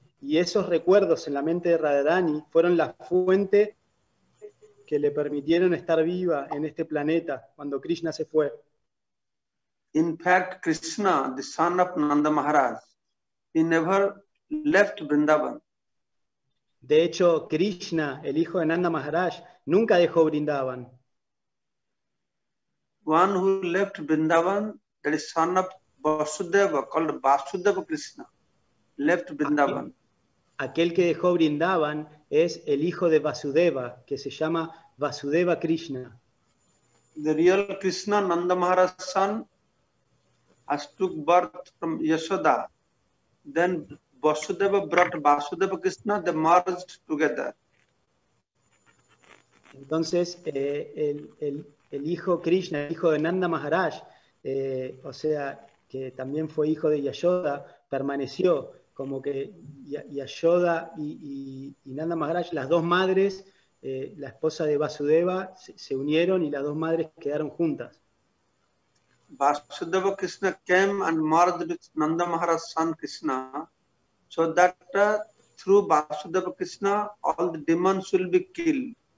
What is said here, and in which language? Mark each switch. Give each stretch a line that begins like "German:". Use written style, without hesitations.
Spanish: Y esos recuerdos en la mente de Radharani fueron la fuente que le permitieron estar viva en este planeta cuando Krishna se fue.
English: In fact, Krishna, the son of Nanda Maharaj, he never left Vrindavan.
Spanish: De hecho, Krishna, el hijo de Nanda Maharaj, nunca dejó Vrindavan.
English: One who left Vrindavan, that is son of Vasudeva, called Vasudeva Krishna, left Vrindavan.
Spanish: Aquel que dejó Vrindavan es el hijo de Vasudeva, que se llama Vasudeva Krishna.
English: The real Krishna, Nanda Maharaj's son, has took birth from Yashoda. Then Vasudeva brought Vasudeva Krishna, they merged together.
Spanish: Entonces, el hijo Krishna, el hijo de Nanda Maharaj, o sea, que también fue hijo de Yashoda, permaneció, como que Yashoda y Nanda Maharaj, las dos madres, la esposa de Vasudeva, se unieron y las dos madres quedaron juntas.
English: Vasudeva Krishna came and merged with Nanda Maharaj's son Krishna, so that through Vasudeva Krishna, all the demons will be killed.